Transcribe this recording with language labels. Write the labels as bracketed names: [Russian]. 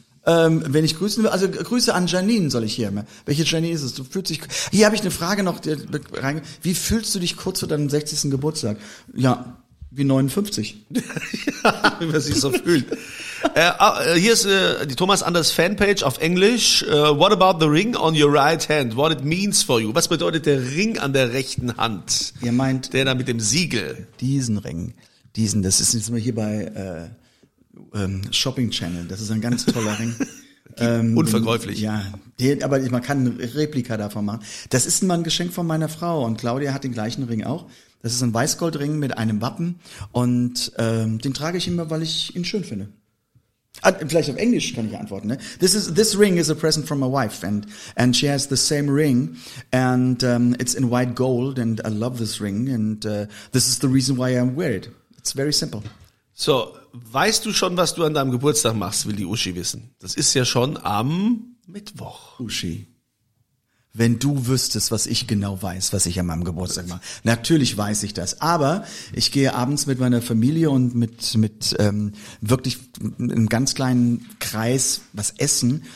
[German] Wenn ich grüßen will, also Grüße an Janine soll ich hier. Welche Janine ist es? Du fühlst dich. Hier habe ich eine Frage noch rein. Wie fühlst du dich kurz vor deinem 60. Geburtstag? Ja, wie 59. Ja, wie man sich so fühlt. Hier ist die Thomas Anders Fanpage auf Englisch. [English] What about the ring on your right hand? What it means for you? [German] Was bedeutet der Ring an der rechten Hand? Ihr meint der da mit dem Siegel. Diesen Ring. Diesen, das ist jetzt mal hier bei Shopping Channel. Das ist ein ganz toller Ring. Unverkäuflich. Ja, aber man kann eine Replika davon machen. Das ist mal ein Geschenk von meiner Frau und Claudia hat den gleichen Ring auch. Das ist ein Weißgoldring mit einem Wappen und den trage ich immer, weil ich ihn schön finde. Vielleicht auf Englisch kann ich antworten. Ne? [English] This ring is a present from my wife and she has the same ring and it's in white gold and I love this ring and this is the reason why I wear it. It's very simple. [German] So, weißt du schon, was du an deinem Geburtstag machst, will die Uschi wissen. Das ist ja schon am Mittwoch. Uschi, wenn du wüsstest, was ich genau weiß, was ich an meinem Geburtstag mache. Natürlich weiß ich das, aber ich gehe abends mit meiner Familie und mit wirklich einem ganz kleinen Kreis was essen.